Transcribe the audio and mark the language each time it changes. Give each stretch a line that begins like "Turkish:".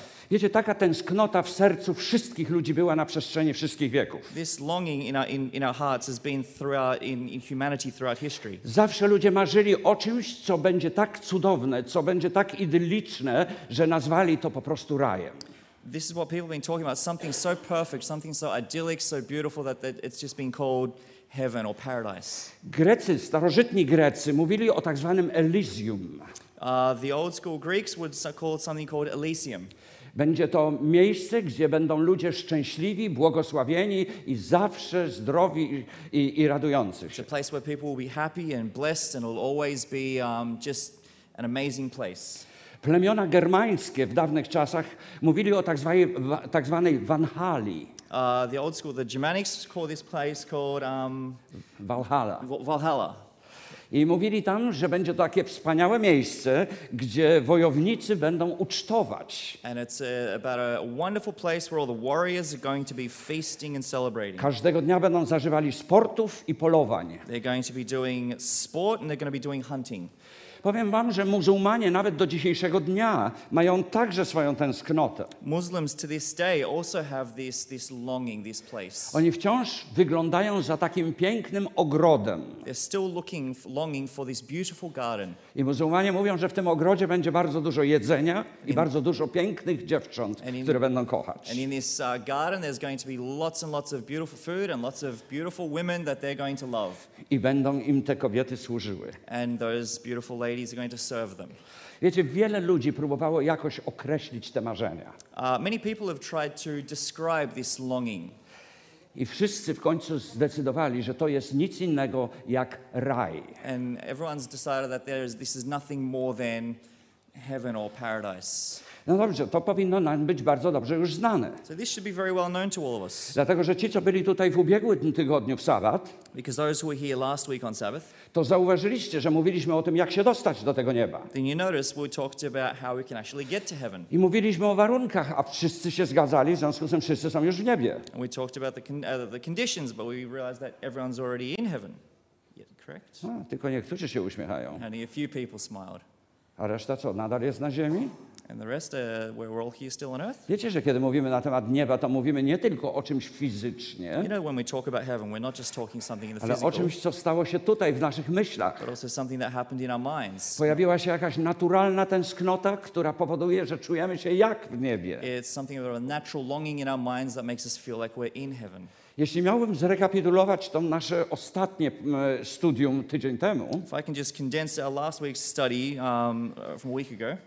Polish: Wiecie, taka tęsknota w sercu wszystkich ludzi była na przestrzeni wszystkich wieków.
English: This longing in our hearts has been throughout in humanity throughout history.
Polish: Zawsze ludzie marzyli o czymś, co będzie tak cudowne, co będzie tak idylliczne, że nazwali to po prostu rajem.
English: This is what people have been talking about, something so perfect, something so idyllic, so beautiful that it's just been called heaven or paradise.
Polish: Grecy, starożytni Grecy mówili o tak zwanym Elysium.
English: The old school Greeks would call something called Elysium.
Polish: Będzie to miejsce, gdzie będą ludzie szczęśliwi, błogosławieni i zawsze zdrowi i radujący się.
English: It's a place where people will be happy and blessed and will always be just an amazing place.
Polish: Plemiona germańskie w dawnych czasach mówili o tak zwanej Walhali.
English: The old school, the Germanics call this place called Valhalla. Valhalla.
Polish: I mówili tam, że będzie to takie wspaniałe miejsce, gdzie wojownicy będą ucztować.
English: And it's about a wonderful place where all the warriors are going to be feasting and celebrating.
Polish: Każdego dnia będą zażywali sportów i polowań.
English: They're going to be doing sport and they're going to be doing hunting.
Polish: Powiem wam, że muzułmanie nawet do dzisiejszego dnia mają także swoją tęsknotę.
English: Muslims to this day also have this longing, this place.
Polish: Oni wciąż wyglądają za takim pięknym ogrodem.
English: They're still looking, longing for this beautiful garden.
Polish: I muzułmanie mówią, że w tym ogrodzie będzie bardzo dużo jedzenia i bardzo dużo pięknych dziewcząt, które będą kochać.
English: And in this garden there's going to be lots and lots of beautiful food and lots of beautiful women that they're going to love.
Polish: I będą im te kobiety służyły.
English: And those beautiful ladies are going to serve them.
Polish: Wiecie, wiele ludzi próbowało jakoś określić te marzenia.
English: Many people have tried to describe this longing.
Polish: I wszyscy w końcu zdecydowali, że to jest nic innego jak raj.
English: And everyone's decided that this is nothing more than heaven or paradise.
Polish: No dobrze, to powinno nam być bardzo dobrze już znane.
English: So this should be very well known to all of us.
Polish: Dlatego, że ci, co byli tutaj w ubiegłym tygodniu w sabat,
English: because those who were here last week on Sabbath,
Polish: to zauważyliście, że mówiliśmy o tym, jak się dostać do tego nieba.
English: Then you noticed we talked about how we can actually get to heaven.
Polish: I mówiliśmy o warunkach, a wszyscy się zgadzali, w związku z tym wszyscy są już w niebie.
English: And we talked about the conditions, but we realized that everyone's already in heaven. Yeah, correct?
Polish: A, tylko niektórzy się uśmiechają.
English: Only a few people smiled.
Polish: A reszta co, nadal jest na ziemi?
English: And the rest, we're all here still on earth.
Polish: Wiecie, że kiedy mówimy na temat nieba, to mówimy nie tylko o czymś fizycznie,
English: you know, when we talk about heaven, we're not just talking something in the
Polish: ale
English: physical,
Polish: o czymś, co stało się tutaj w naszych myślach.
English: But also something that happened in our minds.
Polish: Pojawiła się jakaś naturalna tęsknota, która powoduje, że czujemy się jak w niebie.
English: It's something about a natural longing in our minds that makes us feel like we're in heaven.
Polish: Jeśli miałbym zrekapitulować to nasze ostatnie studium tydzień temu,
English: if I can just condense our last week's study from a week ago,